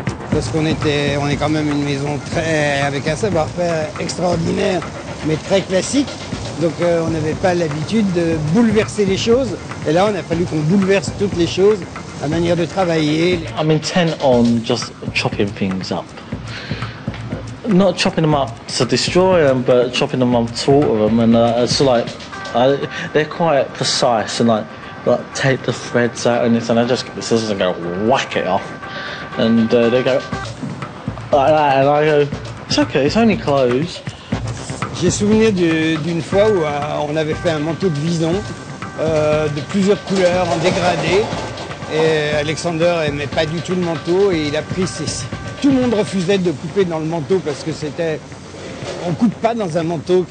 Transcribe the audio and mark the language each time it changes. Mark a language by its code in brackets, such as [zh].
[fr] Parce qu'on était, on est quand même une maison très, avec un savoir-faire extraordinaire, mais très classique. Donc on n'avait pas l'habitude de bouleverser les choses. Et là, on a fallu qu'on bouleverse toutes les choses, la manière de travailler. [en] I'm intent on just chopping things up. Not chopping them up to destroy them, but chopping them up to alter them. And it's like, they're quite precise and like take the threads out and I just get the scissors and go whack it off. And they go like that, and I go, it's okay, it's only clothes. [fr] J'ai souvenir d'une fois où on avait fait un manteau de vison de plusieurs couleurs en dégradé. Et Alexander aimait pas du tout le manteau et il a pris ses... Tout le monde refusait de couper dans le manteau parce que c'était... On coupe pas dans un manteau.